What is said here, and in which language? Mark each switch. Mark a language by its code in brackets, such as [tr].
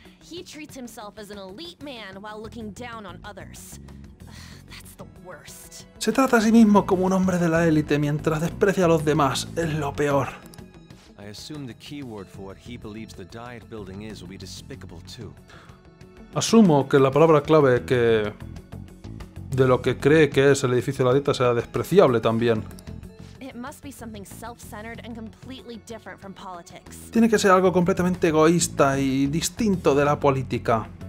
[en] He treats himself as an elite man while looking down on others. That's the worst. [es] Se trata a sí mismo como un hombre de la élite mientras desprecia a los demás. Es lo peor. [en] I assume the keyword for what he believes the diet building is will be despicable too. [es] Asumo que la palabra clave que de lo que cree que es el edificio de la dieta sea despreciable también. [en] It must be something self-centered and completely different from politics. [es] Tiene que ser algo completamente egoísta y distinto de la política.